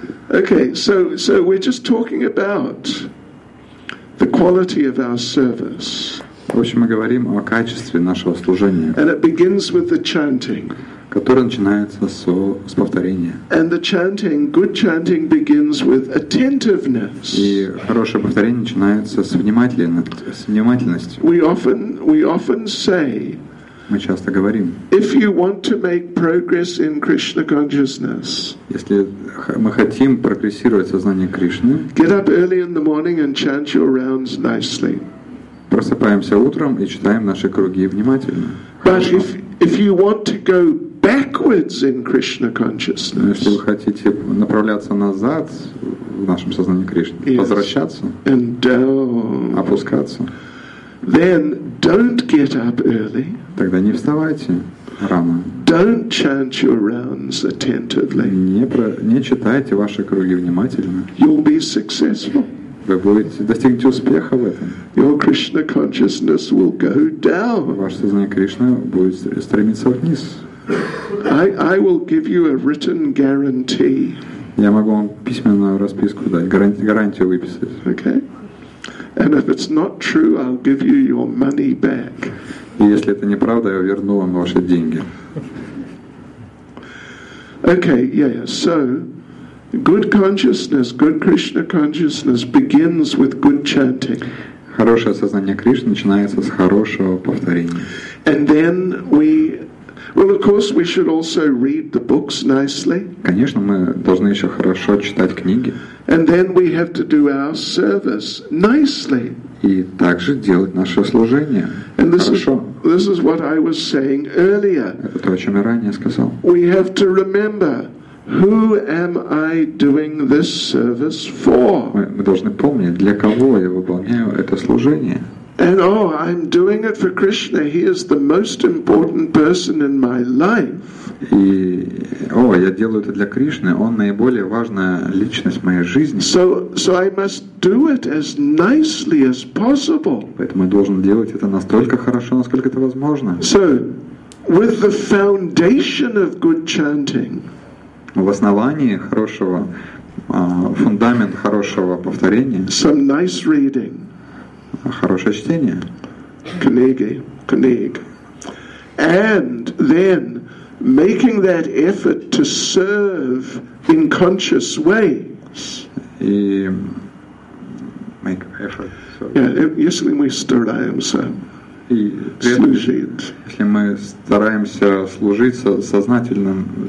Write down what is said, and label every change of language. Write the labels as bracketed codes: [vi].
[en] Okay, so we're just talking about the quality of our service. [ru] В общем, мы говорим о качестве нашего служения. [en] And it begins with the chanting. [ru] Которое начинается с повторения. [en] And the chanting, good chanting begins with attentiveness. [ru] И хорошее повторение начинается с внимательностью. [en] We often say. [ru] Мы часто говорим. [en] If you want to make progress in Krishna consciousness. [ru] Если мы хотим прогрессировать в сознании Кришны. [en] Get up early in the morning and chant your rounds nicely. [ru] Просыпаемся утром и читаем наши круги внимательно. [en] But if you want to go backwards in Krishna consciousness. [ru] Если вы хотите направляться назад в нашем сознании Кришны, [en] yes, [ru] возвращаться. [en] And down. [ru] Опускаться. [en] Then don't get up early. [ru] Тогда не вставайте рано. [en] Don't chant your rounds attentively. [ru] Не читайте ваши круги внимательно. [en] You'll be successful. [ru] Вы будете достигнуть успеха в этом. [en] Your Krishna consciousness will go down. [ru] Ваше сознание Кришны будет стремиться вниз. [en] I will give you a written guarantee. [ru] Я могу вам письменную расписку дать, гарантию выписать. [en] Okay. And if it's not true, I'll give you your money back. [ru] Если это неправда, я верну вам ваши деньги. [en] Okay, yeah. So, good consciousness, good Krishna consciousness begins with good chanting. [ru] Хорошее сознание Кришны начинается с хорошего повторения. [en] And then of course, we should also read the books nicely. [ru] Конечно, мы должны еще хорошо читать книги. [en] And then we have to do our service nicely. [ru] И также делать наше служение. [en] And [ru] хорошо. [en] This is what I was saying earlier. [ru] Это то, о чем я ранее сказал. [en] We have to remember, who am I doing this service for? [ru] Мы должны помнить, для кого я выполняю это служение. [en] And oh, I'm doing it for Krishna. He is the most important person in my life. [ru] Я делаю это для Кришны. Он наиболее важная личность в моей жизни. [en] So I must do it as nicely as possible. [ru] Поэтому я должен делать это настолько хорошо, насколько это возможно. [en] So, with the foundation of good chanting. [ru] В основании хорошего фундамент хорошего повторения. [en] Some nice reading. [ru] Хорошее чтение. Книги. [en] And then making that effort to serve in conscious ways. [ru] И [en] make effort. [ru] Если мы стараемся служить. Если мы стараемся служить сознательным.